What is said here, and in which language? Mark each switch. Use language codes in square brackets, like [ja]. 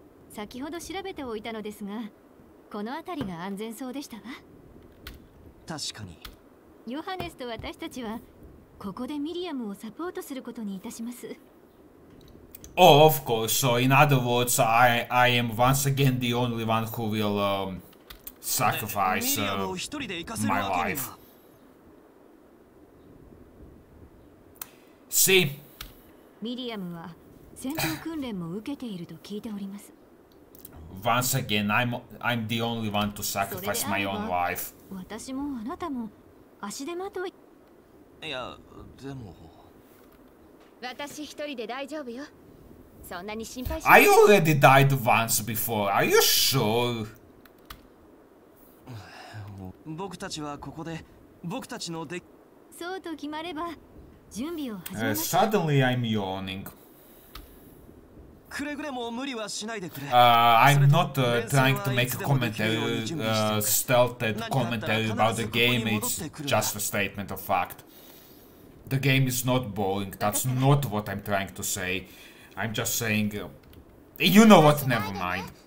[ja] 先ほど調べておいたのですが、この辺りが安全そうでしたわ。確かに。ヨハネスと私たちはここでミリアムをサポートすることにいたします。 [en] Oh, of course. So in other words, I am once again the only one who will sacrifice my life. See. [ja] ミリアムは戦闘訓練も受けていると聞いております。 [en] Once again, I'm the only one to sacrifice my own life. [ja] 私もあなたも足でまとい。いや、でも。私一人で大丈夫よ。そんなに心配しない。 [en] I already died once before. Are you sure? [ja] 僕たちはここで、僕たちので。そうと決まれば、準備を始めます。 [en] Suddenly, I'm yawning. [ja] くれぐれも無理はしないでくれ。 [en] I'm not trying to make a commentary, stealthed commentary about the game. It's just a statement of fact. The game is not boring. That's not what I'm trying to say. I'm just saying, you know what? Never mind.